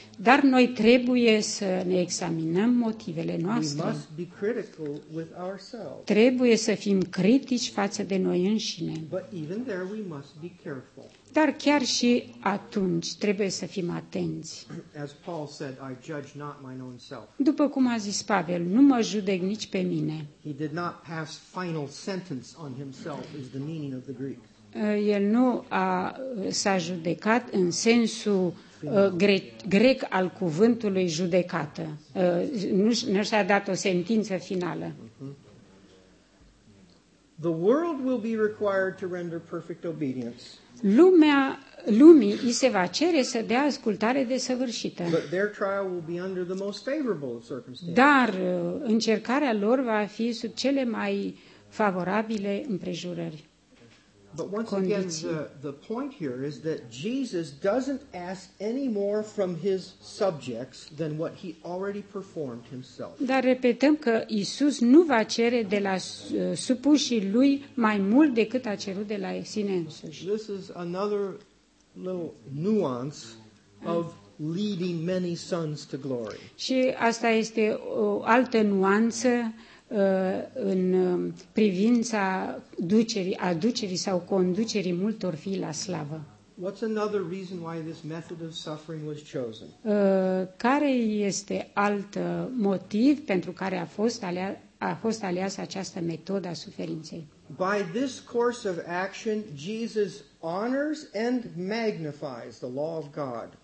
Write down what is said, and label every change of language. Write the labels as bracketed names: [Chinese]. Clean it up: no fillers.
[Romanian] Dar noi trebuie să ne examinăm motivele noastre. [English] We must be critical with ourselves. [Romanian] Trebuie să fim critici față de noi înșine. [English] But even there we must be careful. [Romanian] Dar chiar și atunci trebuie să fim atenți. [English] As Paul said, I judge not mine own self. [Romanian] După cum a zis Pavel, nu mă judec nici pe mine. [English] He did not pass final sentence on himself is the meaning of the Greek. [Romanian] El nu s-a judecat în sensul grec al cuvântului judecată. Nu s-a dat o sentință finală. [English] The world will be required to render perfect obedience. [Romanian] Lumii îi se va cere să dea ascultare desăvârșită. [English] But their trial will be under the most favorable circumstances. [Romanian] Dar încercarea lor va fi sub cele mai favorabile împrejurări. [English] But once again, the point here is that Jesus doesn't ask any more from his subjects than what he already performed himself. [Romanian] Dar repetăm că Iisus nu va cere de la supușii lui mai mult decât a cerut de la sine însuși. [English] This is another little nuance of leading many sons to glory. [Romanian] Și asta este o altă nuanță în privința aducerii sau conducerii multor fii la slavă. [English] What's another reason why this method of suffering was chosen? [Romanian] Care este alt motiv pentru care a fost aleasă această metodă a suferinței? [English] By this course of action, Jesus honors and magnifies the law of God.